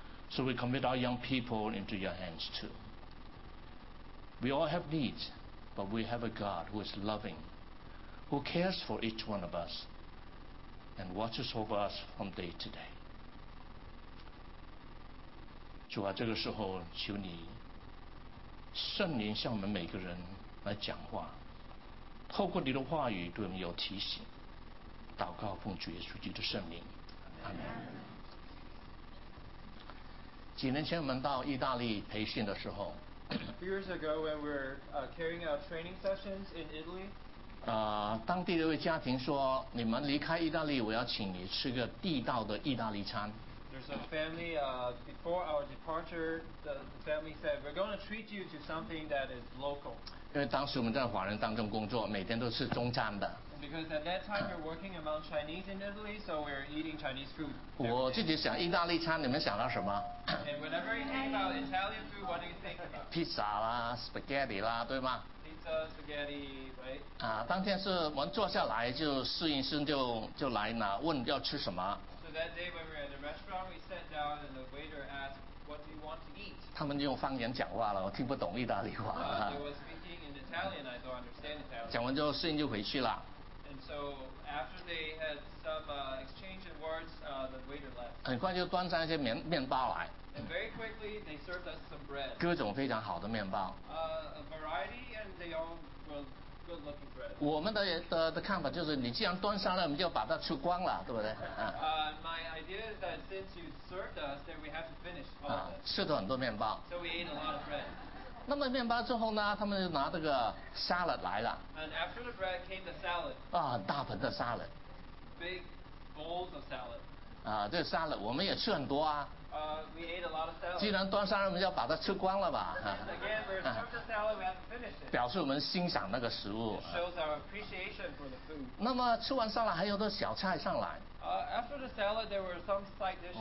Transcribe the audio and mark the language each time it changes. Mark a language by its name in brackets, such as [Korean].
[English] So we commit our young people into your hands too. We all have needs, but we have a God who is loving, who cares for each one of us, and watches over us from day to day. [Chinese] 主啊，这个时候求你圣灵向我们每个人来讲话，透过你的话语对我们有提醒。祷告奉主耶稣基督的圣灵，阿门。几年前我们到意大利培训的时候 [English] ，years ago when we were carrying out training sessions in Italy， [Chinese] 当地的一位家庭说，你们离开意大利，我要请你吃个地道的意大利餐。 [English] There's a family, before our departure, the family said, we're going to treat you to something that is local. [Chinese] 因为当时我们在华人当中工作，每天都吃中餐的。 [English] Because at that time, we're working among Chinese in Italy, so we're eating Chinese food. [Chinese] 我自己想意大利餐，你们想到什么？ [English] And whenever you think about Italian food, what do you think about? [Chinese] Pizza 啦 ,spaghetti 啦，对吗？ [English] Right? [Chinese] 当天是我们坐下来就侍应生就来拿问要吃什么。 [English] So that day when we were at the restaurant, we sat down and the waiter asked, "What do you want to eat?" [Chinese] 他们用方言讲话了，我听不懂意大利话。 [English] They were speaking in Italian, I don't understand Italian. [Chinese] 讲完之后侍应就回去了。 [English] And so after they had some exchange of words, the waiter left. [Chinese] 很快就端上一些面包来。 [English] And very quickly, they served us some bread. [Chinese] 各种非常好的面包。 [English] A variety, and they all were good-looking bread. [Chinese] 我们的看法就是，你既然端上来，我们就把它吃光了，对不对？ [English] My idea is that since you served us, then we have to finish all of it. [Chinese] 吃了很多面包。 [English] So we ate a lot of bread. [Chinese] 那么面包之后呢，他们就拿这个 salad 来了。 [English] And after the bread came the salad. [Chinese] 很大盆的 salad. [English] Big bowls of salad. [Chinese] 这个 salad 我们也吃很多啊。 [English] We ate a lot of salad. [Chinese] 既然端上来，我们要把它吃光了吧？ [English] Again, we served the salad, we have to finish it. [Chinese] 表示我们欣赏那个食物。 [English] It shows our appreciation for the food. [Chinese] 那么吃完上来，还有多小菜上来。 [English] After the salad, there were some side dishes.